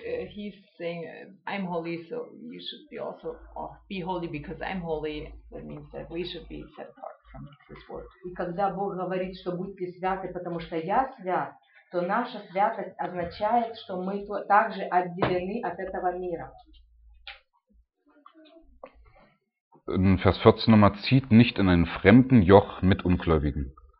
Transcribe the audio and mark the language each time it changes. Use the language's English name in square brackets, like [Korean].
[English] He's saying, I'm holy, so you should be also be holy because I'm holy. That means that we should be set apart from this world. [Russian] И когда Бог говорит, что будьте святы, потому что я свят, то наша святость означает, что мы также отделены от этого мира. [German] In Vers 14 nochmal, zieht nicht in ein fremden Joch mit Ungläubigen.